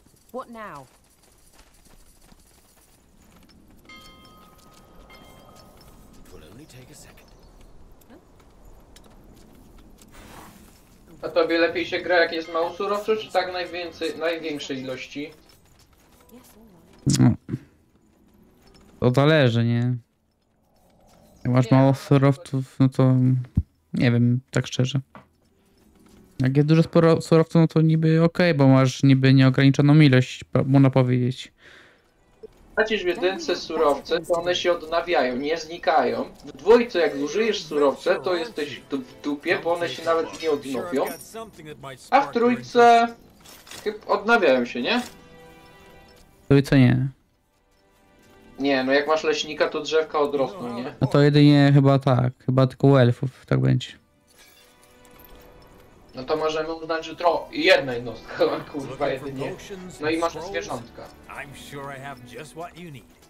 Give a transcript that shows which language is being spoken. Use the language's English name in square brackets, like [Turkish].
[English] What now? It will only take a second. [Polish] A tobie lepiej się gra, jak jest mało surowców, czy tak największej ilości? No. To zależy, nie? Jak masz mało surowców, no to nie wiem, tak szczerze. Jak jest dużo surowców, no to niby okej, bo masz niby nieograniczoną ilość, można powiedzieć. Tracisz w jedynce surowce, to one się odnawiają, nie znikają. W dwójce, jak zużyjesz surowce, to jesteś w dupie, bo one się nawet nie odnowią. A w trójce odnawiają się, nie? W trójce nie. Nie, no jak masz leśnika, to drzewka odrosną, nie? No to jedynie chyba tak, chyba tylko u elfów tak będzie. No to możemy uznać, że jedna jednostka, kurwa, jedynie. No i masz zwierzątka. [English] I'm sure I have just what you need.